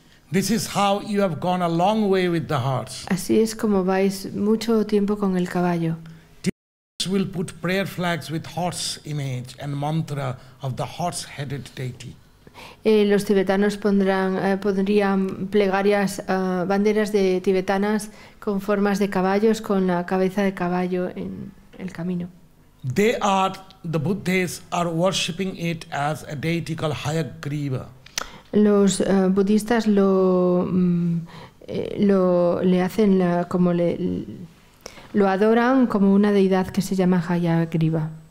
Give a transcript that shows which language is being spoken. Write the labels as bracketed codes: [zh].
[en] This is how you have gone a long way with the horse. [es] Así es como vais mucho tiempo con el caballo. [en] Devotees will put prayer flags with horse image and mantra of the horse-headed deity. [es] Los tibetanos pondrían plegarias, banderas de tibetanas con formas de caballos, con la cabeza de caballo en el camino. [en] They are, the Buddhists are worshipping it as a deity called Hayagriva. [es] Los budistas lo adoran como una deidad que se llama Hayagriva.